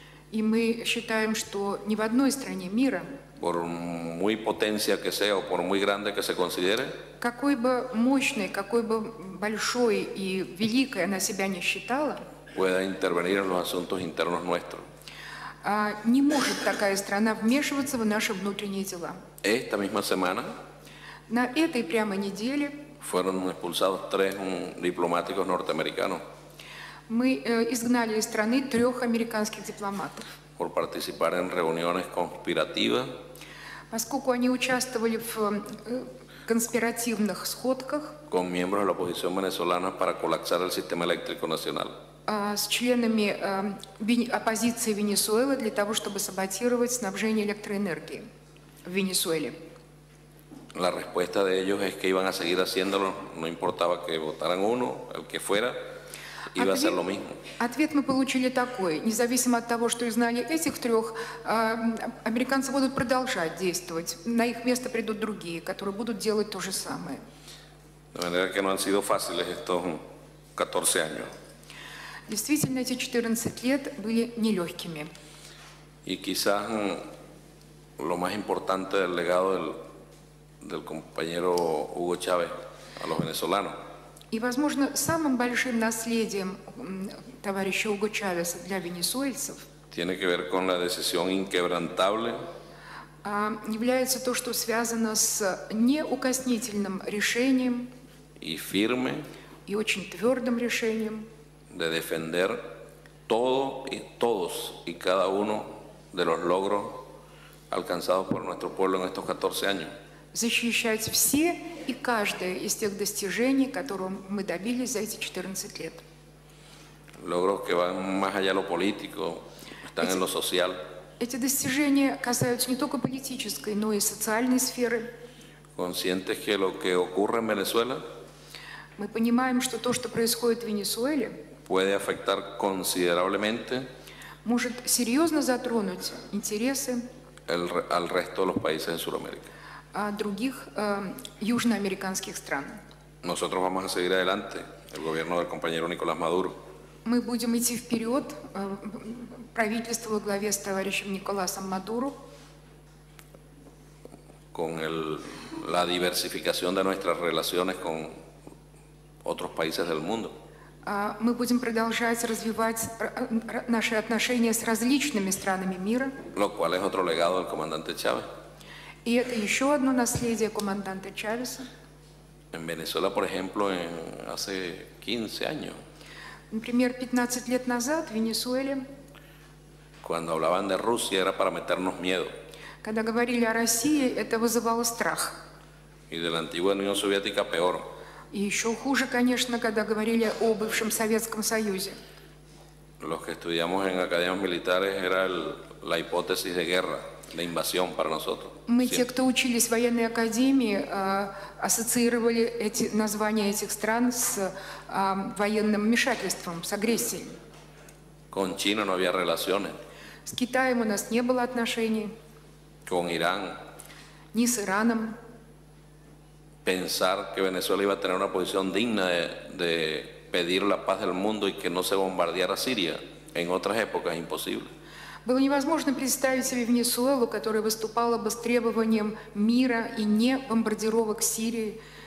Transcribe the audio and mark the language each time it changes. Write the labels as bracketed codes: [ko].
[ru] И мы считаем, что ни в одной стране мира. [es] Por muy potencia que sea o por muy grande que se considere. [ru] Какой бы мощной, какой бы большой и великой она себя не считала. [es] Pueda intervenir en los asuntos internos nuestros. [ru] Не может такая страна вмешиваться в наши внутренние дела. [es] Esta misma semana, [ru] на этой прямо неделе [es] fueron expulsados tres diplomáticos norteamericanos. [ru] Мы изгнали из страны трех американских дипломатов. [es] Por participar en reuniones conspirativas, [ru] поскольку они участвовали в конспиративных сходках [es] con miembros de la oposición venezolana para colapsar el sistema eléctrico nacional. [ru] С членами оппозиции Венесуэлы для того, чтобы саботировать снабжение электроэнергии. в Венесуэле. [es] La respuesta de ellos es que iban a seguir haciéndolo, no importaba que votaran uno, el que fuera, iba a hacer lo mismo. [ru] Ответ мы получили такой: независимо от того, что изгнали этих трех, американцы будут продолжать действовать, на их место придут другие, которые будут делать то же самое. [es] De manera que no han sido fáciles estos 14 años. [ru] Действительно, эти 14 лет были нелегкими. [es] Y quizás lo más importante del legado del compañero Hugo Chávez a los venezolanos. [ru] И, возможно, самым большим наследием товарища Уго Чавеса для венесуэльцев [es] tiene que ver con la decisión inquebrantable, [ru] является то, что связано с неукоснительным решением [es] y firme, [ru] и очень твердым решением [es] de defender todo y todos y cada uno de los logros alcanzados por nuestro pueblo en estos 14 años. [ru] Защищать все и каждое из тех достижений, которые мы добились за эти 14 лет. [es] Logros que van más allá lo político, están en lo social. [ru] Эти достижения касаются не только политической, но и социальной сферы. [es] Conscientes que lo que ocurre en Venezuela, [ru] мы понимаем, что то, что происходит в Венесуэле, [es] puede afectar considerablemente, [ru] может серьезно затронуть интересы [es] al resto de los países en Sudamérica. [ru] А других южноамериканских стран. [es] Nosotros vamos a seguir adelante, el gobierno del compañero Nicolás Maduro. [ru] Мы будем идти вперед, правительство во главе с товарищем Николасом Мадуро. [es] Con la diversificación de nuestras relaciones con otros países del mundo. [ru] Мы будем продолжать развивать наши отношения с различными странами мира. [es] Lo cual es otro legado del comandante Chávez. [ru] И это еще одно наследие команданта Чавеса. [es] En Venezuela, por ejemplo, hace 15 años, [ru] например, 15 лет назад в Венесуэле, [es] cuando hablaban de Rusia, era para meternos miedo. [ru] Когда говорили о России, это вызывало страх. [es] Y de la antigua Unión Soviética, peor. [ru] И еще хуже, конечно, когда говорили о бывшем Советском Союзе. [es] Los que estudiamos en academias militares era la hipótesis de guerra. La invasión para nosotros. [ru] Мы, те, кто учились в военной академии, ассоциировали эти названия этих стран с военным вмешательством, с агрессией. [es] Con China no había relaciones. [ru] С Китаем у нас не было отношений. [es] Con Irán. [ru] Ни с Ираном. [es] Pensar que Venezuela iba a tener una posición digna de pedir la paz del mundo y que no se bombardeara Siria en otras épocas, imposible. [ru] Было невозможно представить себе Венесуэлу, которая выступала бы с требованием мира и не бомбардировок Сирии.